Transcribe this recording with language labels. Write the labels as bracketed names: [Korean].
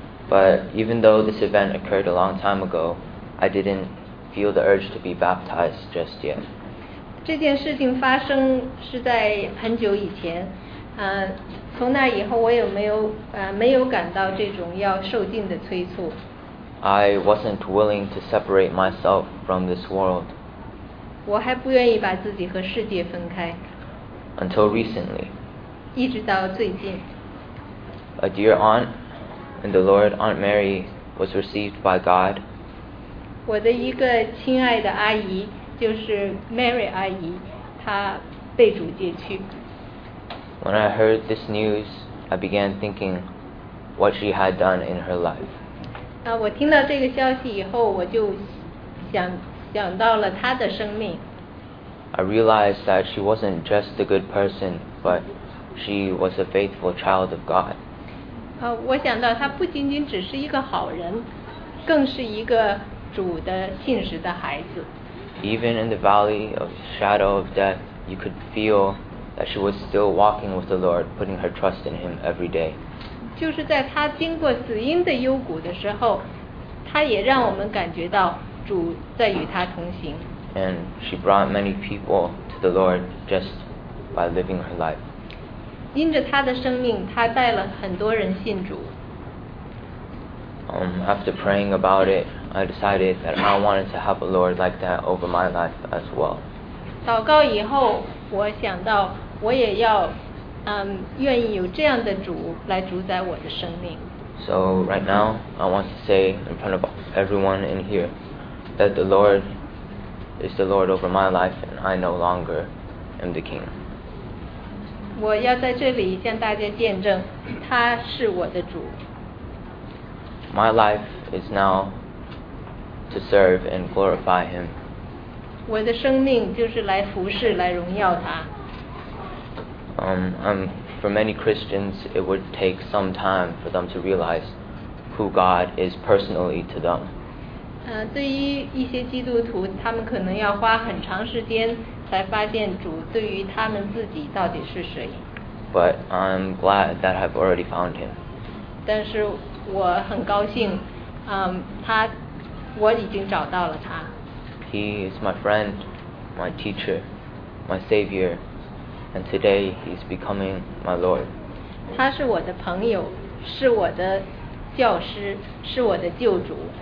[English] But even though this event occurred a long time ago, I didn't feel the urge to be baptized just yet. [Chinese] 这件事情发生是在很久以前，从那以后我也没有感到这种要受尽的催促。 [English] I wasn't willing to separate myself from this world. [Chinese] 我还不愿意把自己和世界分开。 [English] Until recently. [Chinese] 一直到最近。 [English] A dear aunt in the Lord, Aunt Mary, was received by God. [Chinese] 我的一个亲爱的阿姨就是 Mary 阿姨，她被主接去。 [English] When I heard this news, I began thinking what she had done in her life. [Chinese] 我听到这个消息以后，我就想到了她的生命。 [English] I realized that she wasn't just a good person, but she was a faithful child of God. [Chinese] 我想到她不仅仅只是一个好人，更是一个主的信实的孩子。 [English] Even in the valley of shadow of death, you could feel that she was still walking with the Lord, putting her trust in Him every day. [Chinese] 就是在她经过死荫的幽谷的时候，她也让我们感觉到主在与她同行。 [English] And she brought many people to the Lord just by living her life. [Chinese] 因着她的生命，她带了很多人信主。 [English] After praying about it, I decided that I wanted to have a Lord like that over my life as well. [Chinese] 祷告以后，我想到我也要，愿意有这样的主来主宰我的生命。 [English] So right now, I want to say in front of everyone in here that the Lord is the Lord over my life, and I no longer am the king. [Chinese] 我要在这里向大家见证，他是我的主。 [English] My life is now to serve and glorify Him. [Chinese] 我的生命就是来服侍，来荣耀他。 [English] For many Christians, it would take some time for them to realize who God is personally to them. [Chinese] 对于一些基督徒，他们可能要花很长时间才发现主对于他们自己到底是谁。 [English] But I'm glad that I've already found Him. [Chinese] 但是我很高兴，他，我已经找到了他。 [English] He is my friend, my teacher, my savior, and today he's becoming my Lord. [Chinese] 他是我的朋友，是我的教师，是我的救主。